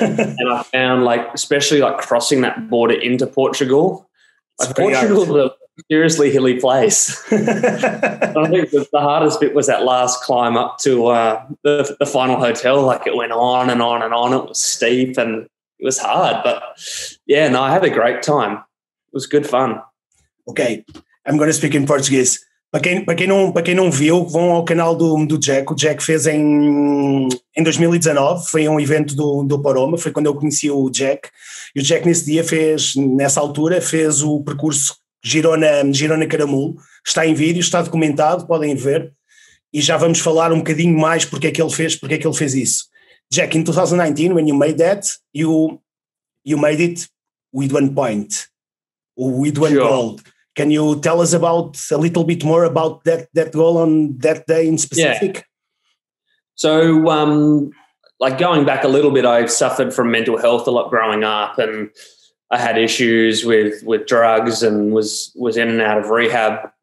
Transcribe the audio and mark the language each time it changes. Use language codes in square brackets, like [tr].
[en] And I found like, especially like crossing that border into Portugal, Portugal is a seriously hilly place. I think the hardest bit was that last climb up to the final hotel. Like it went on and on and on. It was steep and it was hard. But yeah, no, I had a great time. It was good fun. Okay, I'm going to speak in Portuguese. [pt] Para quem não viu, vão ao canal do Jack. O Jack fez em 2019, foi um evento do Poroma, foi quando eu conheci o Jack. E o Jack nessa altura fez o percurso Girona Caramulo. Está em vídeo, está documentado, podem ver. E já vamos falar um bocadinho mais porque é que ele fez isso. [en] Jack, in 2019, when you made that, you made it with one point, with one goal. Can you tell us about a little bit more about that goal on that day in specific? Yeah. So, like going back a little bit, I suffered from mental health a lot growing up, and I had issues with drugs and was in and out of rehab.